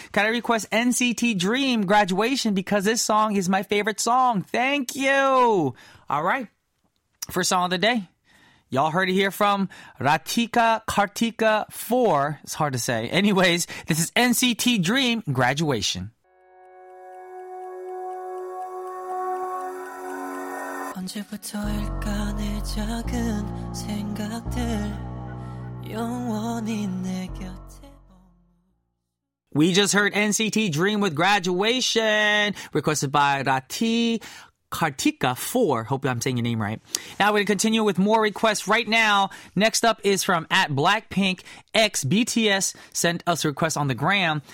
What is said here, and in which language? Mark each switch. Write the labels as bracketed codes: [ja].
[en] Can I request NCT Dream Graduation because this song is my favorite song. Thank you. All right. First song of the day. Y'all heard it here from Ratika Kartika 4. It's hard to say. Anyways, this is NCT Dream Graduation. [ko] 언제부터일까 내 작은 생각들 영원히 내 곁에. [en] We just heard NCT Dream with Graduation, requested by Rati Kartika 4. Hope I'm saying your name right. Now we're going to continue with more requests right now. Next up is from at Blackpink X BTS sent us a request on the gram.